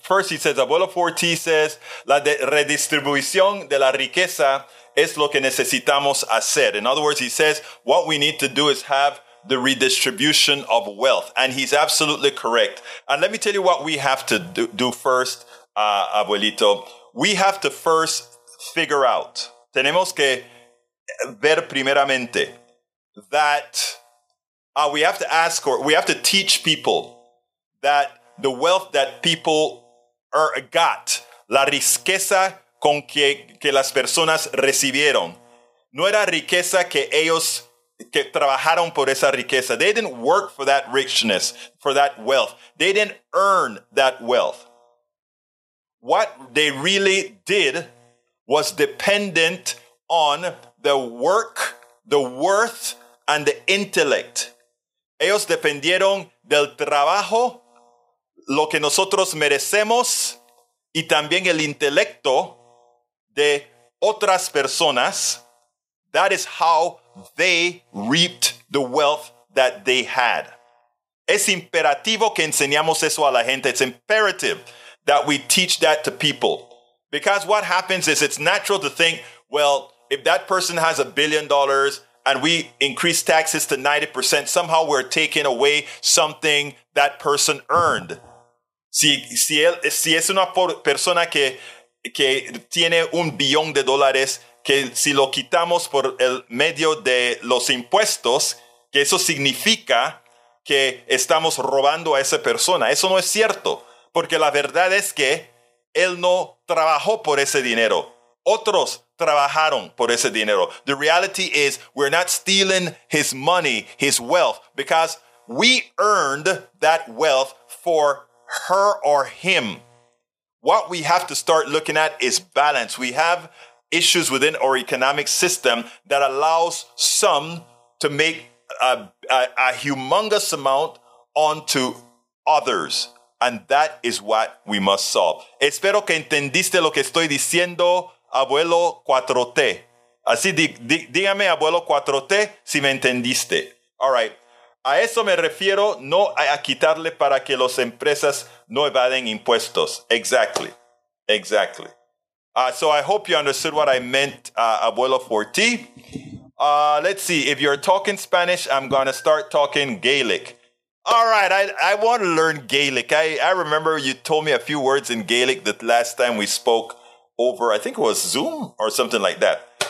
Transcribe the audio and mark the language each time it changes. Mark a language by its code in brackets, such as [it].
[en] First, he says, [es] "Abuelo 4T [en] says [es] la de redistribución de la riqueza es lo que necesitamos hacer." [en] In other words, he says, "What we need to do is have the redistribution of wealth." And he's absolutely correct. And let me tell you what we have to do first, abuelito. We have to first figure out, [es] tenemos que ver primeramente, [en] that we have to ask, or we have to teach people that the wealth that people got, [es] la riqueza con que las personas recibieron, no era riqueza que ellos que trabajaron por esa riqueza. [en] They didn't work for that richness, for that wealth. They didn't earn that wealth. What they really did was dependent on the work, the worth, and the intellect. [es] Ellos dependieron del trabajo, lo que nosotros merecemos, y también el intelecto de otras personas. [en] That is how they reaped the wealth that they had. [es] Es imperativo que enseñamos eso a la gente. [en] It's imperative that we teach that to people. Because what happens is, it's natural to think, well, if that person has $1 billion and we increase taxes to 90%, somehow we're taking away something that person earned. [es] Si es una persona que tiene $1 billion, que si lo quitamos por el medio de los impuestos, que eso significa que estamos robando a esa persona. Eso no es cierto, porque la verdad es que él no trabajó por ese dinero. Otros trabajaron por ese dinero. [en] The reality is we're not stealing his money, his wealth, because we earned that wealth for her or him. What we have to start looking at is balance. We have issues within our economic system that allows some to make a humongous amount onto others. And that is what we must solve. [es] Espero que entendiste lo que estoy diciendo, abuelo 4T. Así, dígame, abuelo 4T, si me entendiste. [en] All right. [es] A eso me refiero, no a quitarle para que las empresas no evaden impuestos. [en] Exactly. Exactly. So I hope you understood what I meant, abuelo 4T. Let's see. If you're talking Spanish, I'm going to start talking Gaelic. All right. I want to learn Gaelic. I remember you told me a few words in Gaelic the last time we spoke over, I think it was Zoom or something like that.